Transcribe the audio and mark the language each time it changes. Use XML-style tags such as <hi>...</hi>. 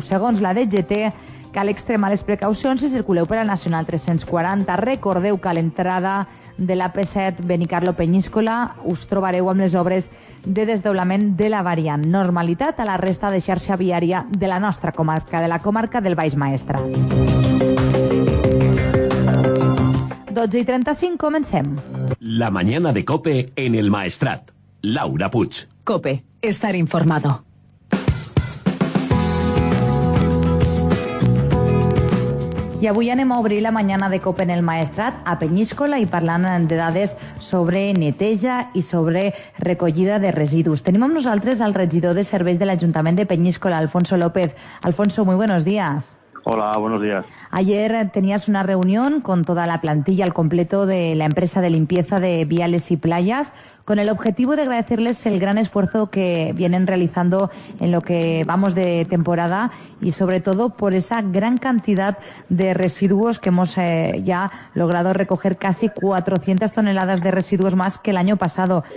<ca>Segons la DGT, cal extremar les precaucions si circuleu per al Nacional 340. Recordeu que a l'entrada de l'AP7 Benicarló-Peníscola us trobareu amb les obres de desdoblament de la variant. Normalitat a la resta de xarxa viària de la nostra comarca, de la comarca del Baix Maestrat. 12 i 35, comencem.</ca> <es>La mañana de COPE en el Maestrat. Laura Puig. COPE. Estar informado.</es> <ca>I avui anem a obrir la mañana de COPE en el Maestrat a Peníscola i parlant de dades sobre neteja i sobre recollida de residus. Tenim amb nosaltres el regidor de serveis de l'Ajuntament de Peníscola, Alfonso López.</ca> <es>Alfonso, muy buenos días. Hola, buenos días. Ayer tenías una reunión con toda la plantilla al completo de la empresa de limpieza de viales y playas con el objetivo de agradecerles el gran esfuerzo que vienen realizando en lo que vamos de temporada y sobre todo por esa gran cantidad de residuos que hemos ya logrado recoger, casi 400 toneladas de residuos más que el año pasado.</es>